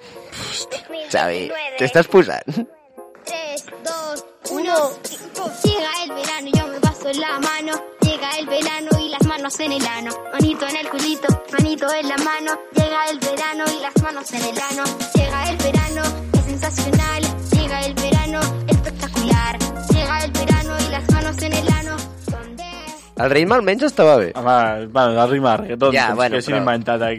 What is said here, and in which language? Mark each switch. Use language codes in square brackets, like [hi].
[ca] Hosti, Xavi, què estàs posant? 3, 2, 1, 5. [es] Llega el verano y yo me paso la mano. Llega el verano y las manos en el ano. Manito en el culito, manito en la mano. Llega el verano y las manos en el ano. Llega el verano, es sensacional. Llega el verano, espectacular. Llega el verano y las manos en el ano. [ca] El ritme almenys estava bé. Home, bueno, el ritme, que tot ja, bueno, que s'ha inventat aquí.